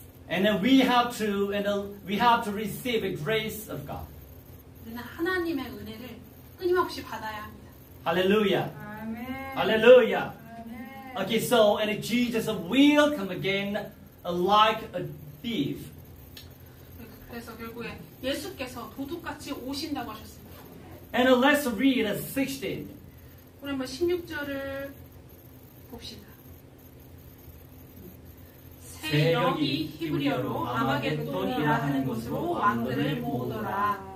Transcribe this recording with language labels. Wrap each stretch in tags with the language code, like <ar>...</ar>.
<en>And then we have to and we have to receive the grace of God.</en> <ko>우리는 하나님의 은혜를 끊임없이 받아야 합니다. Hallelujah. Amen. Hallelujah. Amen.</ko> <en>Okay, so and Jesus will come again like a thief.</en> <ko>그래서 결국에 예수께서 도둑같이 오신다고 하셨습니다.</ko> <en>And let's read 16.</en> <ko>우리 한번 16절을 봅시다. 새 영이 히브리어로 아마겟돈이라 하는 곳으로 왕들을 모으더라.</ko>